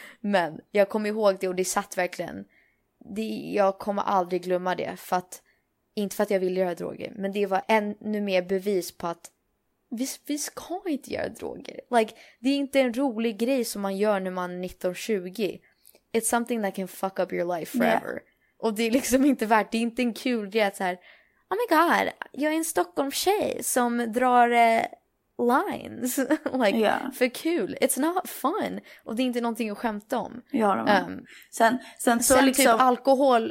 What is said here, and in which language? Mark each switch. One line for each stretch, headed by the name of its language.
Swedish: Men jag kommer ihåg det, och det satt verkligen... Jag kommer aldrig glömma det. Inte för att jag ville göra droger. Men det var ännu mer bevis på att... Vi ska inte göra droger. Like, det är inte en rolig grej som man gör när man är 19-20.
English: It's something that can fuck up your life forever. Yeah.
Swedish: Och det är liksom inte värt. Det är inte en kul grej att så här...
English: Oh my god,
Swedish: jag är en Stockholm-tjej som drar lines. Like, yeah. För kul.
English: It's not fun.
Swedish: Och det är inte någonting att skämta om. Ja, sen liksom, typ alkohol.